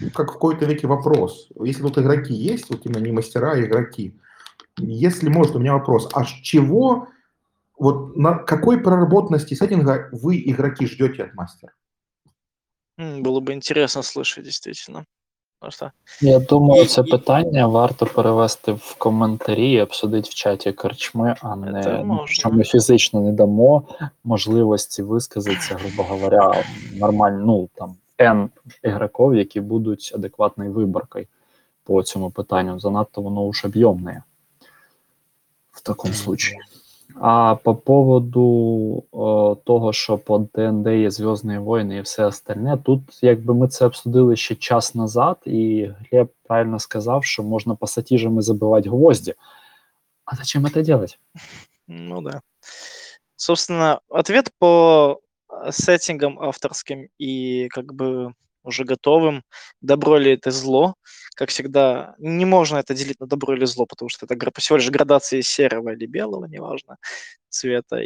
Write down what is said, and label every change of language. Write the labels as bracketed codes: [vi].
[ru] Как какой-то веки вопрос. Если тут игроки есть, вот именно не мастера, а игроки. Если может, у меня вопрос. А с чего, вот на какой проработанности сеттинга вы, игроки, ждете от мастера? Было бы интересно слышать, действительно. Просто... [uk] Я думаю, это питання варто перевести в коментарі і обсудити в чаті корчми, а не що ми фізично не дамо можливості висказатися, [ru] грубо говоря, [uk] нормально, ну, там, N ігроків, які будуть адекватною виборкою по цьому питанню. Занадто воно уж об'ємне в такому случаї. [ru] А по поводу того, [uk] що по ДНД є Зв'язні Війни і все остальне, тут якби ми це обсудили ще час назад, і Глеб правильно сказав, що можна пасатіжами забивати гвозді. А зачем це робити? [ru] Ну да. Собственно, ответ по сеттингом авторским и как бы уже готовым, добро ли это зло, как всегда, не можно это делить на добро или зло, потому что это всего лишь градации серого или белого, неважно, цвета.